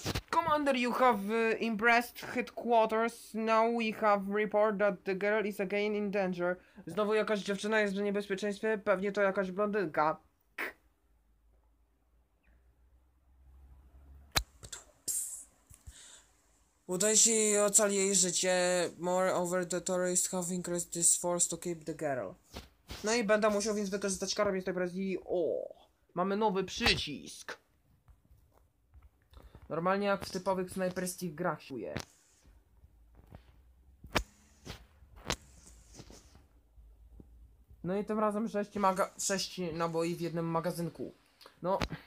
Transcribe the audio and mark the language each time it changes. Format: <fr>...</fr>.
<en>Commander, you have impressed headquarters. Now we have report that the girl is again in danger.</en> <pl>Znowu jakaś dziewczyna jest w niebezpieczeństwie. Pewnie to jakaś blondynka. Udaj się i ocal jej życie.</pl> <en>Moreover, the terrorists have increased this force to keep the girl.</en> <pl>No i będę musiał więc wykorzystać karabin z tej Brazylii. O! Mamy nowy przycisk! Normalnie jak w typowych snajperskich grach się. No i tym razem 6 naboi w jednym magazynku. No.</pl>